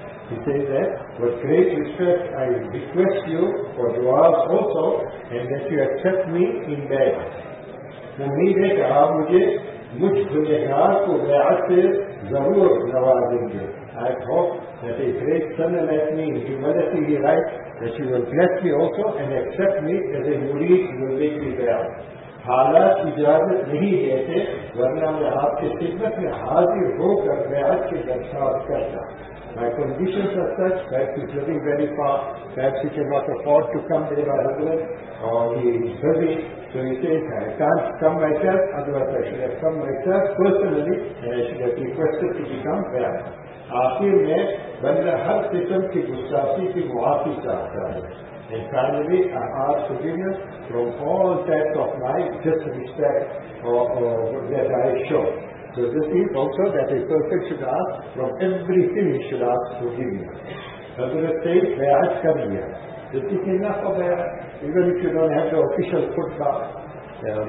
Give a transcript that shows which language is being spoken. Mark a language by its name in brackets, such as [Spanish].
[English] He says that, with great respect, I request you for du'as also, and that you accept me in bayat. [Urdu] Umeed hai ki aap mujh gunahgar ko bayat se zarur nawazenge. [English] I hope that a great son like me, in humility, he writes, that you will bless me also and accept me as a murid who will make me bayat. [Urdu] حالات اجازت نہیں دیتے ورنہ میں آپ کے خدمت میں حاضر ہو کر بیعت کے درخواست کرتا. [English] My conditions are such that he's living very far, perhaps he cannot afford to come there by Hazrat, or he is busy, so he says, I can't come myself, otherwise I should have come myself personally, and I should have requested to become bayat. [Urdu] آخر میں بندہ ہر قسم کی گستاخی کی معافی چاہتا ہے. [English] And finally, I ask forgiveness from all types of my disrespect that I show. So this is also that a person should ask from everything he should ask forgiveness. Hazrat says, [Urdu] bayat kar liya. [English] This is enough for bayat, even if you don't have the official khutbah.